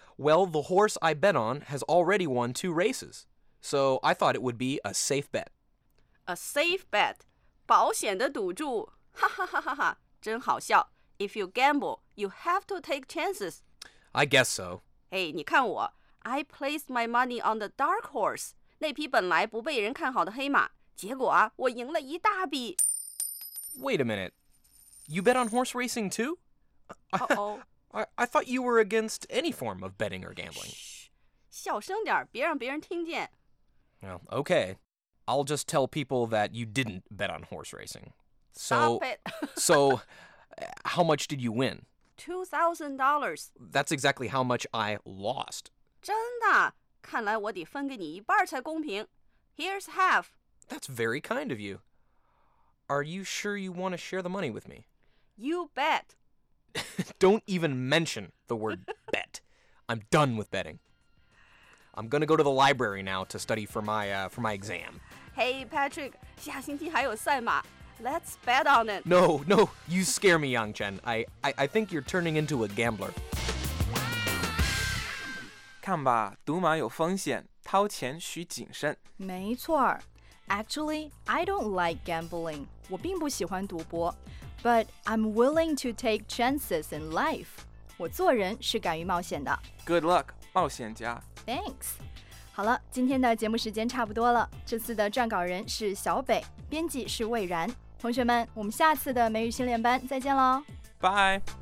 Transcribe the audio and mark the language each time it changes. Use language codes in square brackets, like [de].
[en] Well, the horse I bet on has already won two races, so I thought it would be a safe bet. A safe bet? [zh] 保险的赌注? [en] Ha ha ha ha ha, [zh] 真好笑。 [en] If you gamble, you have to take chances. I guess so. Hey, [zh] 你看我 [en] I placed my money on the dark horse. [zh] 那匹本来不被人看好的黑马。结果啊，我赢了一大笔。 [en] Wait a minute. You bet on horse racing too? Uh-oh. I thought you were against any form of betting or gambling. Shh. [zh] 小声点，别让别人听见。 [en] Well, okay. I'll just tell people that you didn't bet on horse racing. So, Stop it. So, how much did you win? $2,000. That's exactly how much I lost. [zh] 真的？看来我得分给你一半才公平。 [en] Here's half. That's very kind of you. Are you sure you want to share the money with me? You bet. Don't even mention the word bet. I'm done with betting. I'm going to go to the library now to study for my exam. Hey, Patrick, [zh] 下星期还有赛马。 [en] Let's bet on it. No, no, you scare me, Yangchen. I think you're turning into a gambler. [zh] 看吧，赌马有风险，掏钱需谨慎。没错。 [en] Actually, I don't like gambling. [zh] 我并不喜欢赌博。 [en] But I'm willing to take chances in life. [zh] 我做人是敢于冒险的。 [en] Good luck, [zh] 冒险家。 [en] Thanks. [zh] 好了，今天的节目时间差不多了。这次的撰稿人是小北，编辑是魏然。同学们，我们下次的美语训练班再见喽！拜。